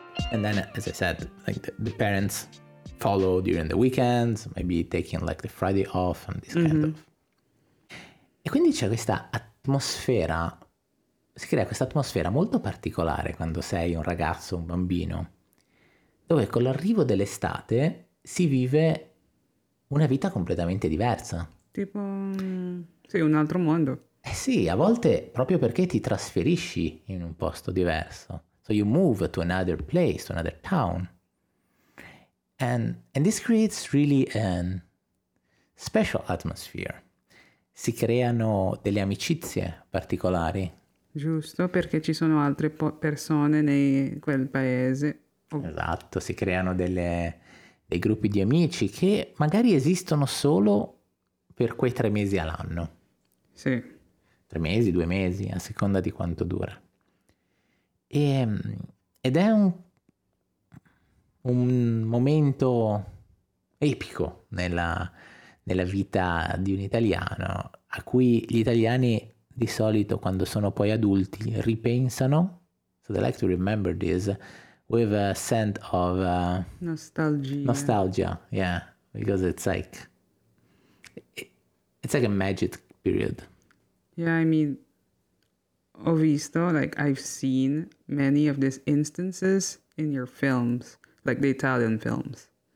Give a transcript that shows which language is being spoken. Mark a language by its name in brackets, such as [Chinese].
[English] And then, as I said, like the parents follow during the weekends, maybe taking like the Friday off and this mm-hmm. kind of. [Italian] E quindi c'è questa atmosfera, si crea questa atmosfera molto particolare quando sei un ragazzo, un bambino, dove con l'arrivo dell'estate si vive una vita completamente diversa. Tipo, sì, un altro mondo. Eh sì, a volte proprio perché ti trasferisci in un posto diverso. [English] So you move to another place, to another town. And this creates really a special atmosphere. [Italian] Si creano delle amicizie particolari. Giusto, perché ci sono altre persone in quel paese. Esatto, si creano dei gruppi di amici che magari esistono solo per quei 3 mesi all'anno. Sì. 3 mesi, 2 mesi, a seconda di quanto dura. Ed è un momento epico nella vita di un italiano, a cui gli italiani di solito, quando sono poi adulti, ripensano. [English] So they like to remember this with a scent of nostalgia, yeah, because it's like a magic period. Yeah, I mean, [Italian] ho visto, [English] like I've seen many of these instances in your films, like the Italian films.